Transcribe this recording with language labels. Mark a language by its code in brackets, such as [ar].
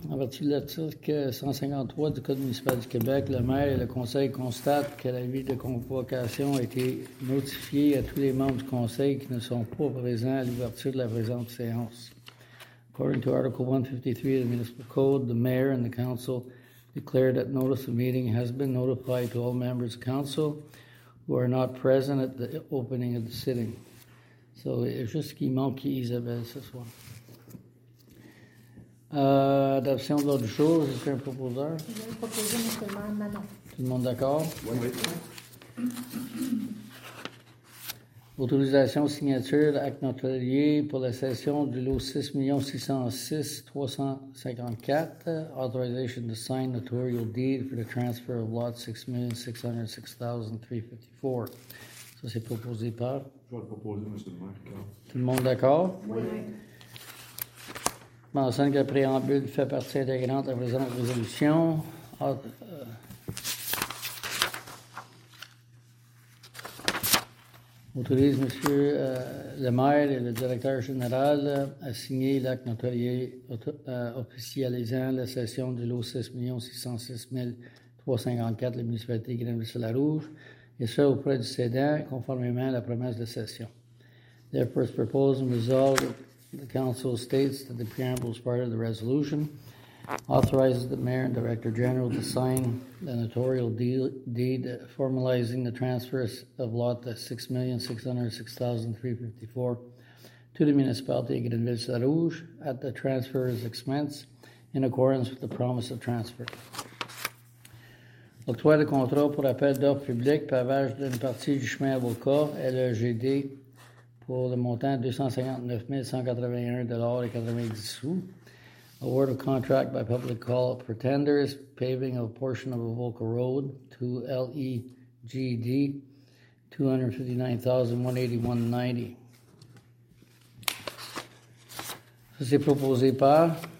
[fr] En vertu de l'article 153 du Code municipal du Québec, le maire et le conseil constatent que la vie de convocation a été notifiée à tous les membres du conseil qui ne sont pas présents à l'ouverture de la présente séance. [en] According to Article 153 of the Municipal Code, the mayor and the council declare that notice of meeting has been notified to all members of council who are not present at the opening of the sitting. So, it's just [fr] qui manque Isabelle ce soir. Adoption de l'ordre du jour, est-ce qu'un proposeur? Je vais proposer M. le maire Manon. Tout le monde d'accord? Oui. Autorisation signature d'acte notarié pour la session du lot 6,606,354. [en] Authorization to sign notarial deed for the transfer of lot 6,606,354. [fr] Ça, c'est proposé par? Je vais le proposer, M. le maire. Tout le monde d'accord? Oui. Mentionne que le préambule fait partie intégrante de la présente résolution. Autorise M. le maire et le directeur général à signer l'acte notarié officialisant la cession du lot 6,606,354 de la municipalité Grenville-sur-la-Rouge. Et ce, auprès du cédant, conformément à la promesse de cession. [en] Therefore, it's proposed and resolved that the council states that the preamble is part of the resolution, authorizes the mayor and director general to sign the notarial deed formalizing the transfer of lot 6,606,354 to the municipality of Grenville-sur-la-Rouge at the transfer's expense in accordance with the promise of transfer. [fr] L'octroi de contrat pour appel d'offres publiques, pavage d'une partie du chemin avocat, LEGD, pour le montant de $259,181.90. [en] Award of contract by public call for tenders, paving of a portion of Avoca Road to LEGD, $259,181.90. [fr] Ça, c'est proposé par?